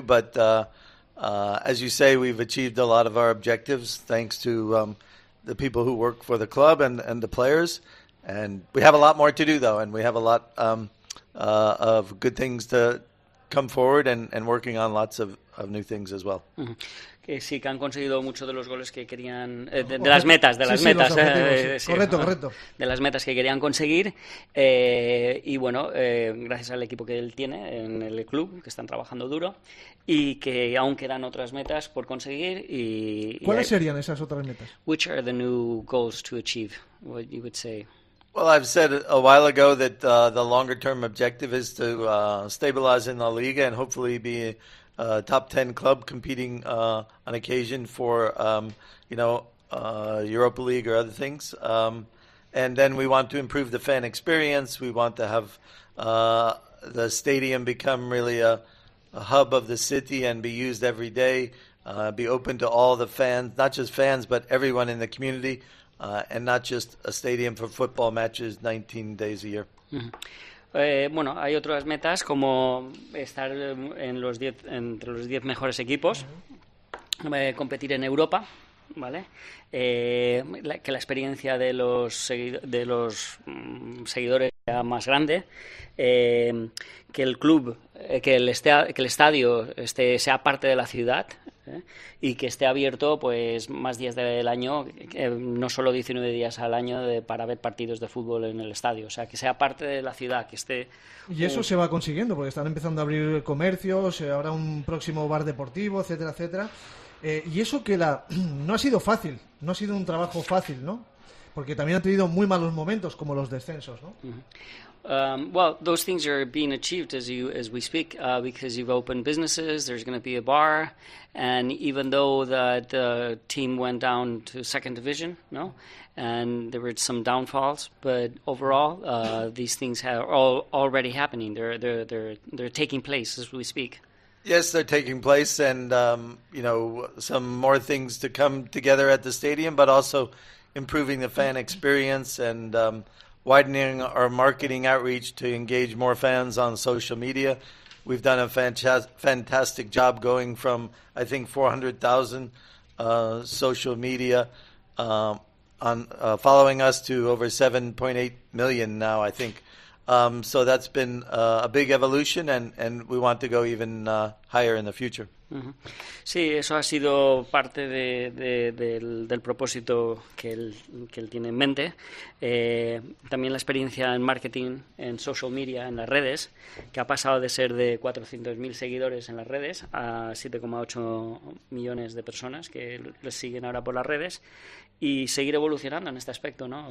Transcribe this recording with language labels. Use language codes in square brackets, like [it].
[en] But as you say, we've achieved a lot of our objectives thanks to the people who work for the club and the players. And we have a lot more to do, though, and we have a lot of good things to come forward and working on lots of new things as well. Mm-hmm. [es] Que sí, que han conseguido mucho de los goles que querían, de las metas que querían conseguir, y bueno, gracias al equipo que él tiene en el club, que están trabajando duro, y que aún quedan otras metas por conseguir. Y ¿cuáles serían esas otras metas? [en] Which are the new goals to achieve, what you would say? Well, I've said a while ago that the longer-term objective is to stabilize in La Liga and hopefully be a top 10 club competing on occasion for, Europa League or other things. And then we want to improve the fan experience. We want to have the stadium become really a hub of the city and be used every day, be open to all the fans, not just fans, but everyone in the community, and not just a stadium for football matches 19 days a year. Mm-hmm. [es] Bueno, hay otras metas como estar entre los 10 mejores equipos, competir en Europa, ¿vale? Que la experiencia de los seguidores sea más grande, que el club, que el estadio sea parte de la ciudad, y que esté abierto pues más días del año, no solo 19 días al año para ver partidos de fútbol en el estadio, o sea, que sea parte de la ciudad, que esté... Y eso se va consiguiendo, porque están empezando a abrir comercios, habrá un próximo bar deportivo, etcétera, etcétera. Y eso que no ha sido fácil, no ha sido un trabajo fácil, ¿no? Porque también han tenido muy malos momentos, como los descensos, ¿no? Uh-huh. [en] Well, those things are being achieved as we speak, because you've opened businesses, there's going to be a bar, and even though the team went down to second division, no, and there were some downfalls, but overall, these things are already happening. They're taking place as we speak. Yes, they're taking place, and some more things to come together at the stadium, but also improving the fan experience and widening our marketing outreach to engage more fans on social media. We've done a fantastic job going from, I think, 400,000 social media following us to over 7.8 million now, I think. So that's been a big evolution, and we want to go even higher in the future. [es] Sí, eso ha sido parte del propósito que él tiene en mente. También la experiencia en marketing, en social media, en las redes, que ha pasado de ser de 400.000 seguidores en las redes a 7,8 millones de personas que les siguen ahora por las redes, y seguir evolucionando en este aspecto, ¿no?